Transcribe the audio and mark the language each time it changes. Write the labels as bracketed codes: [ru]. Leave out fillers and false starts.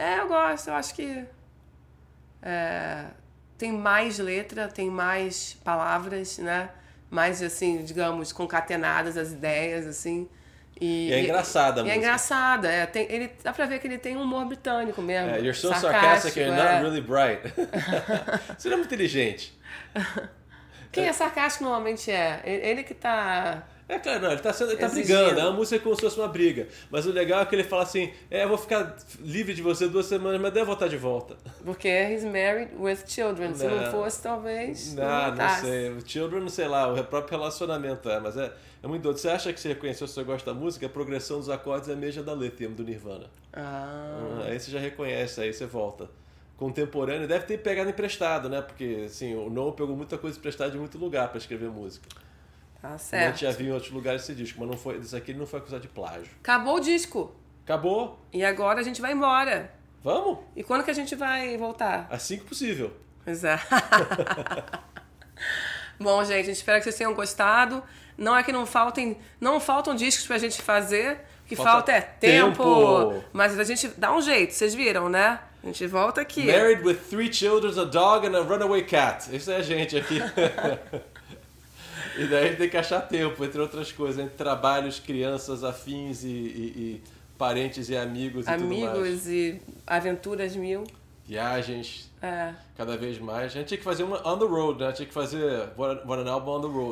[pt] Eu gosto. Eu acho que tem mais letra, tem mais palavras, né? Mais, assim, digamos, concatenadas as ideias, assim. E é engraçada a música. É engraçada. Dá pra ver que ele tem um humor britânico mesmo. [en] You're so sarcastic, you're not really bright. [pt] Você não é muito inteligente. Quem é sarcástico normalmente é. Ele que tá... Ele tá brigando, é uma música como se fosse uma briga. Mas o legal é que ele fala assim, eu vou ficar livre de você 2 semanas, mas devo voltar de volta. Porque [en] he's married with children, [pt] não. Se não fosse, talvez... Não sei, children, sei lá, o próprio relacionamento mas é muito doido. Você acha que você reconheceu, se você gosta da música, a progressão dos acordes é a mesma da Lithium, do Nirvana. Aí você já reconhece, aí você volta. Contemporâneo, deve ter pegado emprestado, né? Porque, assim, o Noel pegou muita coisa emprestada de muito lugar pra escrever música. Tá certo. A gente já viu em outros lugares esse disco, mas não foi, esse aqui não foi acusado de plágio. Acabou o disco. Acabou. E agora a gente vai embora. Vamos? E quando que a gente vai voltar? Assim que possível. Pois é. Bom, gente, espero que vocês tenham gostado. Não é que não faltam discos pra gente fazer. que falta é tempo. Mas a gente dá um jeito, vocês viram, né? A gente volta aqui. [en] Married with three children, a dog and a runaway cat. [pt] Isso é a gente aqui. E daí tem que achar tempo, entre outras coisas, entre trabalhos, crianças, afins e parentes e amigos e tudo mais. Amigos e aventuras mil. Viagens. É. Cada vez mais. A gente tinha que fazer uma [en] on the road, [pt] né? Tinha que fazer [en] what an album on the road.